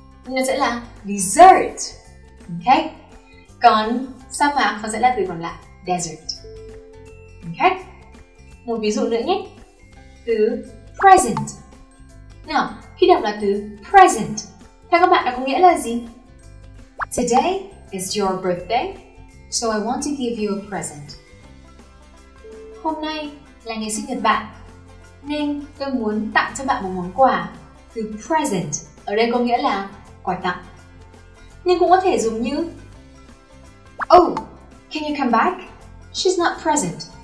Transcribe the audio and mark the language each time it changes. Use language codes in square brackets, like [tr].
[vi] Nên nó sẽ là dessert, ok? Còn sa mạc nó sẽ là từ còn lại, desert, ok? Một ví dụ nữa nhé, từ present. Nào, khi đọc là từ present, theo các bạn nó có nghĩa là gì? [en] Today is your birthday, so I want to give you a present. [vi] Hôm nay là ngày sinh nhật bạn, nên tôi muốn tặng cho bạn một món quà. Từ present ở đây có nghĩa là quà tặng. Nhưng cũng có thể dùng như [en] Oh, can you come back? She's not present.